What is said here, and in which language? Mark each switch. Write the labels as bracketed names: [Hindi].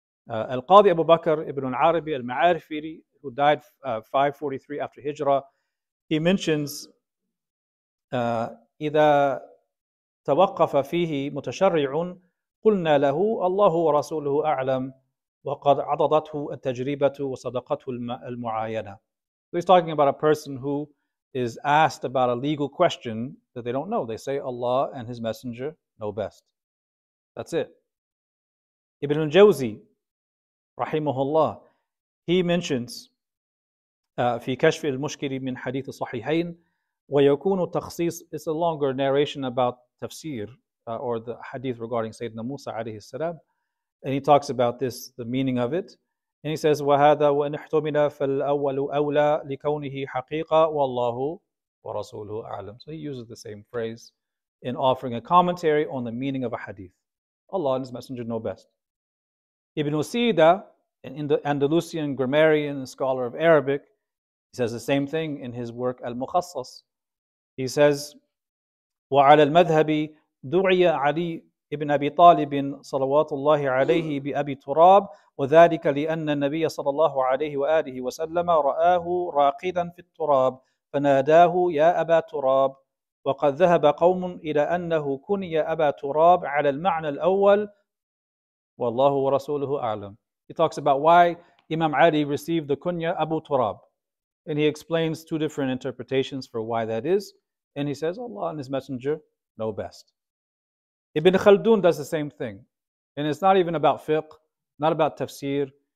[English] Al-Qadi Abu Bakr ibn al-Arabi al-Ma'arifiri, who died 543 after Hijrah, he mentions, [Arabic] إِذَا تَوَقَّفَ فِيهِ مُتَشَرِّعٌ قُلْنَا لَهُ اللَّهُ وَرَسُولُهُ أَعْلَمُ وَقَدْ عَضَضَتْهُ التَّجْرِيبَةُ وَصَدَقَتْهُ الْمُعَايَنَةُ. [English] So he's talking about a person who is asked about a legal question that they don't know. They say Allah and His Messenger know best. That's it. Ibn al-Jawzi, rahimahullah, he mentions, [Arabic] في كشف المشكل من حديث الصحيحين ويكون تخصيص. [English] It's a longer narration about tafsir or the hadith regarding Sayyidina Musa alayhi salam. And he talks about this, the meaning of it. And he says, [Arabic] وَهَذَا وَإِنْ احْتُمِنَا فَالْأَوَّلُ أَوْلَى لِكَوْنِهِ حَقِيقًا وَاللَّهُ وَرَسُولُهُ أَعْلَمُ. [English] So he uses the same phrase in offering a commentary on the meaning of a hadith. Allah and His Messenger know best. Ibn Usida, an Andalusian grammarian and scholar of Arabic, he says the same thing in his work Al-Mukhassas. He says, [Arabic] وَعَلَى الْمَذْهَبِ دُعِيَ عَلِيٍ ابن أبي طالب صلوات الله عليه بأبي تراب وذلك لأن النبي صلى الله عليه وآله وسلم رآه راقدا في التراب فناداه يا أبا تراب وقد ذهب قوم إلى أنه كني أبا تراب على المعنى الأول والله ورسوله أعلم. [English] He talks about why Imam Ali received the kunya Abu Turab, and he explains two different interpretations for why that is, and he says Allah and His Messenger know best. Ibn Khaldun does the same thing. And it's not even about fiqh, not about tafsir.